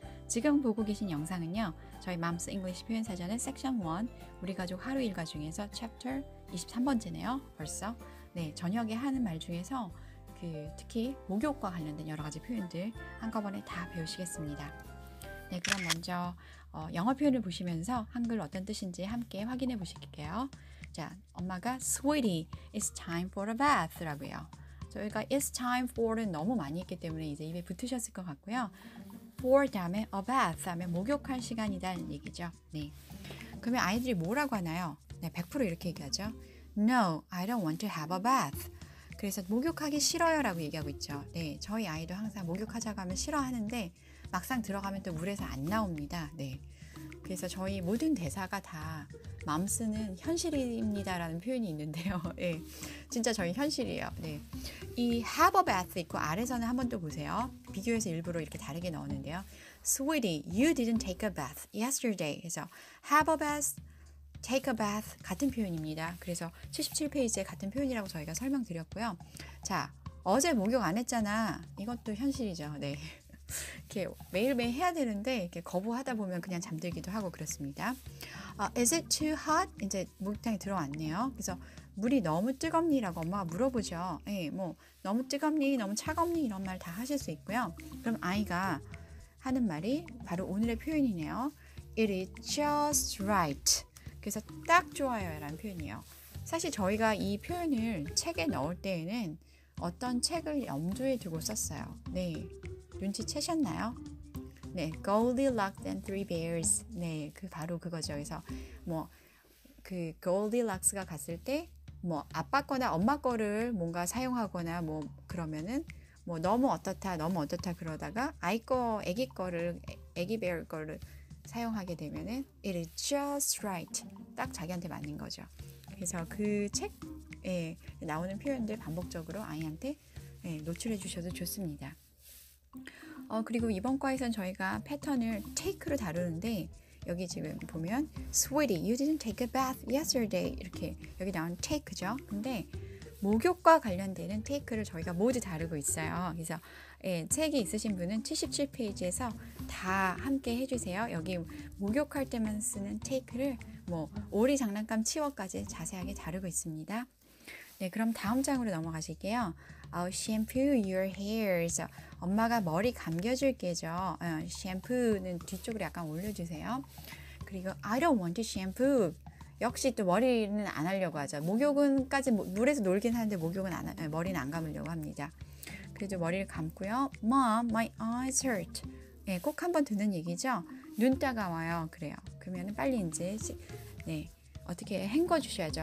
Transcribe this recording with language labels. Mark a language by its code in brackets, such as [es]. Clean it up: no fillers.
[ko] 지금 보고 계신 영상은요. 저희 Mom's English 표현사전의 섹션 1 우리 가족 하루 일과 중에서 챕터 23번째네요. 벌써. 네, 저녁에 하는 말 중에서 특히 목욕과 관련된 여러 가지 표현들 한꺼번에 다 배우시겠습니다. 네, 그럼 먼저 영어 표현을 보시면서 한글 어떤 뜻인지 함께 확인해 보실게요. 자, 엄마가 [en] Sweetie, it's time for a bath [ko] 라고요. 저희가 it's time for는 너무 많이 했기 때문에 이제 입에 붙으셨을 것 같고요. for 다음에 a bath 하면 목욕할 시간이라는 얘기죠. 네, 그러면 아이들이 뭐라고 하나요? 네, 100% 이렇게 얘기하죠. [en] No, I don't want to have a bath. [ko] 그래서 목욕하기 싫어요 라고 얘기하고 있죠. 네, 저희 아이도 항상 목욕하자고 하면 싫어하는데 막상 들어가면 또 물에서 안 나옵니다. 네, 그래서 저희 모든 대사가 다 마음 쓰는 현실입니다 라는 표현이 있는데요. 네, 진짜 저희 현실이에요. 네, 이 have a bath 있고 아래서는 한번 또 보세요. 비교해서 일부러 이렇게 다르게 넣었는데요. [en] Sweetie, you didn't take a bath yesterday. [ko] 그래서 [en] have a bath, take a bath [ko] 같은 표현입니다. 그래서 77페이지에 같은 표현이라고 저희가 설명드렸고요. 자, 어제 목욕 안 했잖아. 이것도 현실이죠. 네. 이렇게 매일매일 해야 되는데 이렇게 거부하다 보면 그냥 잠들기도 하고 그렇습니다. [en] Is it too hot? [ko] 이제 목욕탕에 들어왔네요. 그래서 물이 너무 뜨겁니? 라고 엄마가 물어보죠. 예, 뭐 너무 뜨겁니? 너무 차겁니? 이런 말 다 하실 수 있고요. 그럼 아이가 하는 말이 바로 오늘의 표현이네요. [en] It is just right. [ko] 그래서 딱 좋아요 라는 표현이에요. 사실 저희가 이 표현을 책에 넣을 때에는 어떤 책을 염두에 두고 썼어요. 네, 눈치채셨나요? 네, Goldilocks and Three Bears. 네, 그 바로 그거죠. 그래서 뭐 그 Goldilocks가 갔을 때 뭐 아빠 거나 엄마 거를 뭔가 사용하거나 뭐 그러면은 뭐 너무 어떻다, 너무 어떻다 그러다가 아이 거, 아기 거를, 아기 베어 거를 사용하게 되면은 [en] it is just right. [ko] 딱 자기한테 맞는 거죠. 그래서 그 책에 나오는 표현들 반복적으로 아이한테 노출해 주셔도 좋습니다. 그리고 이번 과에서는 저희가 패턴을 take로 다루는데 여기 지금 보면 [en] Sweetie, you didn't take a bath yesterday [ko] 이렇게 여기 나온 take죠. 근데 목욕과 관련되는 take를 저희가 모두 다루고 있어요. 그래서 예, 책이 있으신 분은 77페이지에서 다 함께 해주세요. 여기 목욕할 때만 쓰는 take를 뭐 오리 장난감 치워까지 자세하게 다루고 있습니다. 네, 그럼 다음 장으로 넘어가실게요. [en] I'll shampoo your hair. [ko] 엄마가 머리 감겨줄게죠. Shampoo는 뒤쪽으로 약간 올려주세요. 그리고 [en] I don't want to shampoo. [ko] 역시 또 머리는 안 하려고 하죠. 목욕은까지 물에서 놀긴 하는데 목욕은 안, 머리는 안 감으려고 합니다. 그래도 머리를 감고요. [en] Mom, my eyes hurt. [ko] 네, 꼭 한번 듣는 얘기죠. 눈 따가워요. 그래요. 그러면 빨리 이제 네, 어떻게 헹궈 주셔야죠.